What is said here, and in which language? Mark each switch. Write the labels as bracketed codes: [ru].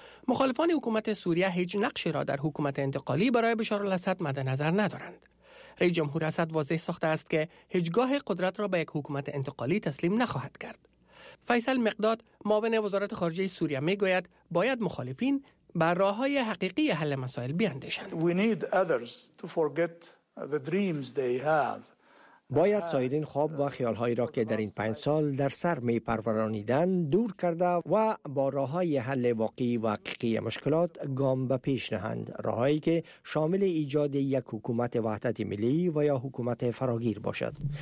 [fa] مخالفان حکومت سوریه هیچ نقشی را در حکومت انتقالی برای بشار الاسد مد نظر ندارند. رئیس جمهور اسد واضح ساخته است که هیچگاه قدرت را به یک حکومت انتقالی تسلیم نخواهد کرد. فیصل مقداد، معاون وزارت خارجه سوریه، می گوید باید مخالفین بر راه های حقیقی حل مسائل بیاندیشند. [en] We need others to forget the dreams they have [fa] باید سایرین خواب و خیالهایی را که در این 5 سال در سر می پرورانیدن دور کرده و با راه های حل واقعی و حقیقی مشکلات گام به پیش نهند. راه هایی که شامل ایجاد یک حکومت وحدت ملی و یا حکومت فراگیر باشد.